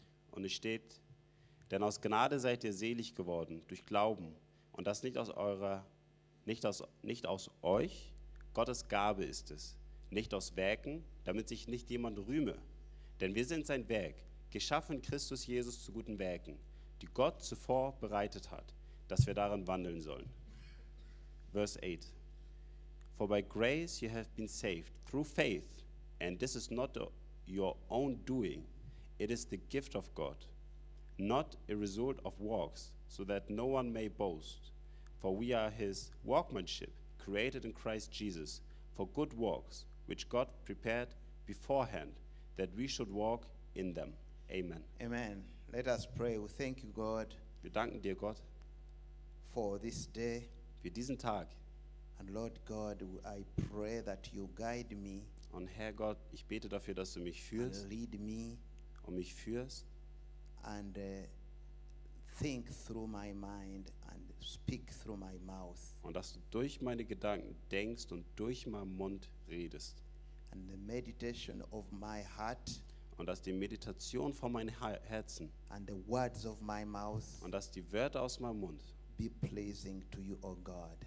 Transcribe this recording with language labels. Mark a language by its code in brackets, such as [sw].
[de] Und es steht, denn aus Gnade seid ihr selig geworden, durch Glauben, und das nicht aus eurer, nicht aus euch, Gottes Gabe ist es, nicht aus Werken, damit sich nicht jemand rühme. Denn wir sind sein Werk, geschaffen Christus Jesus zu guten Werken, die Gott zuvor bereitet hat, dass wir darin wandeln sollen. Vers 8. [en] For by grace you have been saved through faith, and this is not your own doing. It is the gift of God, not a result of works, so that no one may boast. For we are his workmanship, created in Christ Jesus, for good works, which God prepared beforehand, that we should walk in them. Amen. Amen. Let us pray. We thank you, God. [de] Wir danken dir, Gott, [en] for this day. [de] Für diesen Tag. [en] And Lord God, I pray that you guide me. [de] Und Herr Gott, ich bete dafür, dass du mich führst. [en] And lead me. [de] Und mich führst. [en] And think through my mind and speak through my mouth. [de] Und dass du durch meine Gedanken denkst und durch meinen Mund redest. [en] And the meditation of my heart. [de] Und dass die Meditation von meinem Herzen. [en] And the words of my mouth. [de] Und dass die Wörter aus meinem Mund. [en] Be pleasing to you, O God.